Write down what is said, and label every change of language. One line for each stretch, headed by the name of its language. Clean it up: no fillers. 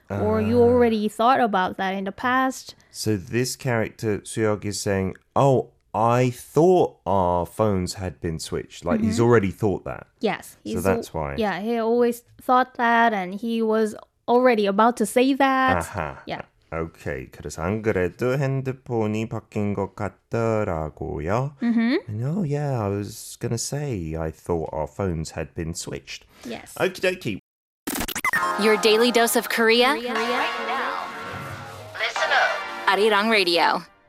English: Or you already thought about that in the past. So this character, Suyog, is saying, oh, I thought our phones had been switched. Like, he's already thought that. Yes. So that's why. Yeah, he always thought that and he was already about to say that. Yeah.
Korean: Okay, 그래서 안 그래도 핸드폰이 바뀐 것 같더라고요.
English: And oh yeah, I was gonna say, I thought our phones had been switched. Yes. Okie dokie. Your daily dose of Korea. Korea. Right now. Listen up. Arirang Radio.